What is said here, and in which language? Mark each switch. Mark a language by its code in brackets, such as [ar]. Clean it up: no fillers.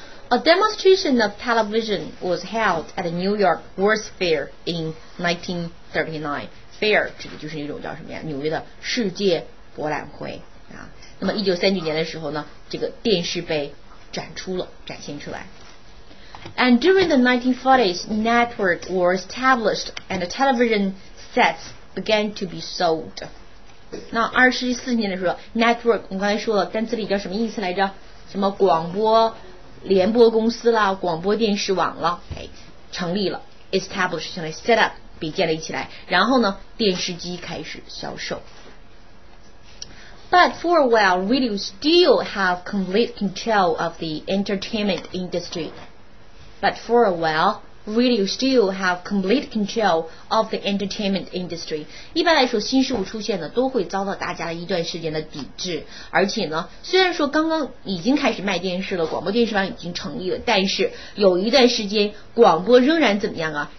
[en] A demonstration of television was held at the New York World's Fair in 1939. [zh] Fair 指的就是那种叫什么呀，纽约的世界博览会啊。那么1939年的时候呢，这个电视被展出了，展现出来。 [en] And during the 1940s, network were established and the television sets began to be sold. [zh] 那二十四年的时候 ，network 我刚才说了，单词里叫什么意思来着？什么广播联播公司啦，广播电视网了，哎，成立了 ，established 相当于 set up 被建立起来，然后呢，电视机开始销售。 [en] But for a while, radio still have complete control of the entertainment industry. But for a while, radio still have complete control of the entertainment industry. [zh] 一般来说，新事物出现呢，都会遭到大家的一段时间的抵制。而且呢，虽然说刚刚已经开始卖电视了，广播电视网已经成立了，但是有一段时间，广播仍然怎么样啊？